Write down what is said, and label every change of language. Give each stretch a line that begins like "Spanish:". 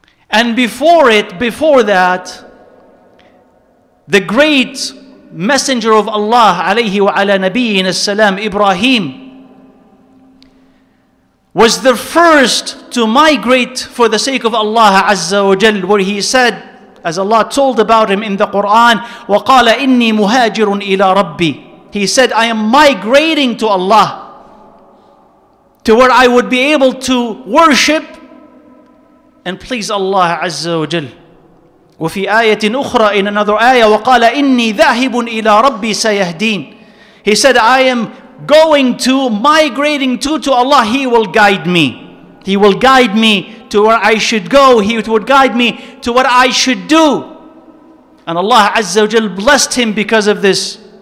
English: And before that, the great messenger of Allah alayhi wa ala nabiyin as-salam, Ibrahim, was the first to migrate for the sake of Allah azza wa jal, where he said, as Allah told about him in the Quran,
Arabic: وَقَالَ إِنِّي مُهَاجِرٌ إِلَىٰ رَبِّي.
English: He said, I am migrating to Allah, to where I would be able to worship and please Allah Azza wa Jal.
Arabic: وفي آية أخرى,
English: in another ayah,
Arabic: وَقَالَ إِنِّي ذَاهِبٌ إِلَىٰ رَبِّي سَيَهْدِينَ.
English: He said, I am migrating to Allah, He will guide me. He will guide me to where I should go. He would guide me to what I should do. And Allah Azza wa Jal blessed him because of this.